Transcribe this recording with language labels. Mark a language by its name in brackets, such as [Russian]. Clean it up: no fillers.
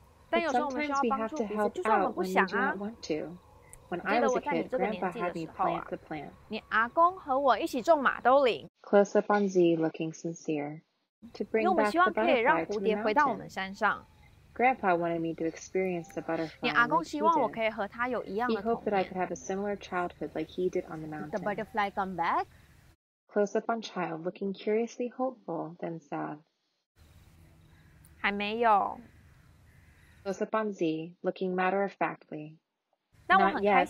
[English] But sometimes we have to help out when we do not want to. When I was a kid, Grandpa had me plant the plant. [Chinese] 你阿公和我一起种马兜铃。 [English] Close up on Z, looking sincere. To bring back the butterfly to the mountain. Grandpa wanted me to experience the butterfly. [Chinese] 你阿公希望我可以和他有一样的童年。 [English] He hoped that I could have a similar childhood like he did on the mountain. The butterfly come back? Close up on child, looking curiously hopeful, then sad. [Chinese] 还没有。 [English] Close up on Z, looking matter-of-factly. Not yet,